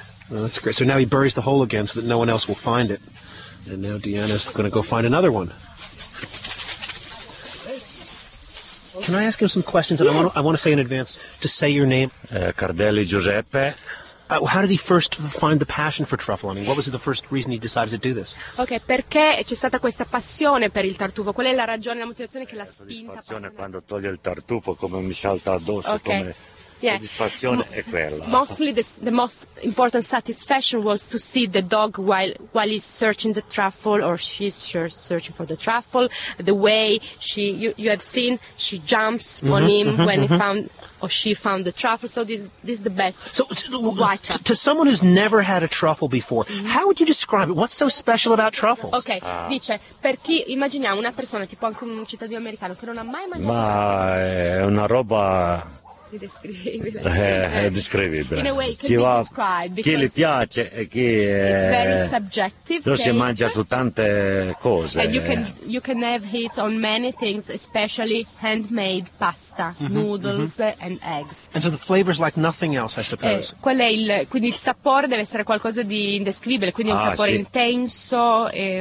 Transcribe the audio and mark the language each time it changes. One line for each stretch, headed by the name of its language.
English: Well, that's great. So now he buries the hole again so that no one else will find it. And now Deanna's going to go find another one. Can I ask him some questions? Yes. And I want to say in advance, to say your name. Cardelli Giuseppe. How did he first find the passion for truffle? I mean, what was the first reason he decided to do this?
Italian: Okay, perché c'è stata questa passione per il tartufo? Qual è la ragione, la motivazione che l'ha spinta? Passione quando toglie il tartufo, come mi salta addosso, okay. Come...
English: Yeah.
Italian: Soddisfazione è quella.
English: Mostly the most important satisfaction was to see the dog while he's searching the truffle, or she's searching for the truffle. The way she jumps on him when he found or she found the truffle. So this is the best. So to someone who's never had a truffle before, how would you describe it? What's so special about truffles?
Italian: Okay, dice per chi immaginiamo una persona tipo anche un cittadino americano che non ha mai mangiato. Ma è una roba. Indescrivibile.
English: In a way, can be described.
Italian: Chi le piace e chi
English: it's very subjective.
Italian: Lo si mangia su tante cose.
English: And you can have it on many things, especially handmade pasta, noodles and eggs. And so the flavor is like nothing else, I suppose.
Italian: Qual è il quindi il sapore deve essere qualcosa di indescrivibile, quindi un sapore intenso e